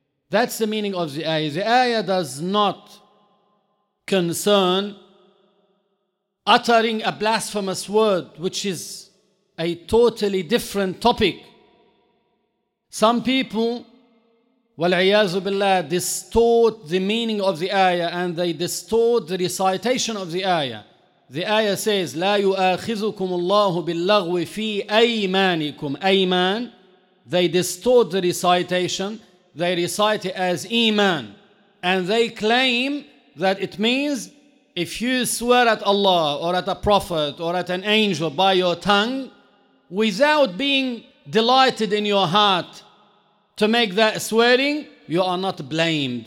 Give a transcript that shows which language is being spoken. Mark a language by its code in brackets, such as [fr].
[en] That's the meaning of the ayah. The ayah does not concern uttering a blasphemous word, which is a totally different topic. Some people, [ar] والعياذ بالله, [en] distort the meaning of the ayah and they distort the recitation of the ayah. The ayah says, [ar] لا يؤاخذكم الله باللغو في أيمانكم. أيمان. [en] They distort the recitation. They recite it as إيمان. And they claim that it means if you swear at Allah or at a prophet or at an angel by your tongue, without being delighted in your heart to make that swearing, you are not blamed.